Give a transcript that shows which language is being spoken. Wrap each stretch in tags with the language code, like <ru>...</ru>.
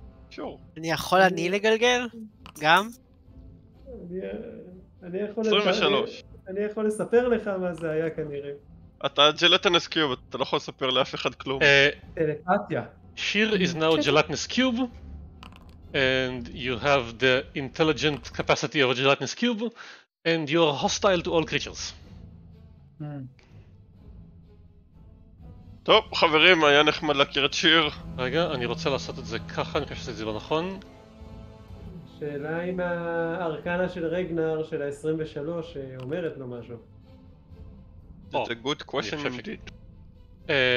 <he>שור. אני יכול אני לגלגל? גם? אני יכול... 23. אני יכול לספר לך מה זה היה כנראה. אתה ג'לטנס קיוב, אתה לא יכול לספר לאף אחד כלום. טלפתיה.</he> <en>שיר is now ג'לטנס קיוב. And you have the intelligent capacity of a ג'לטנס קיוב. And you are hostile to all creatures.</en> <he>טוב, חברים, היה נחמד להכיר את שיר. רגע, אני רוצה לעשות את זה ככה, אני חושב שזה לא נכון. שאלה אם הארקנה של רגנר של ה-23 אומרת לו משהו.</he> <en>That's a good question indeed.</en>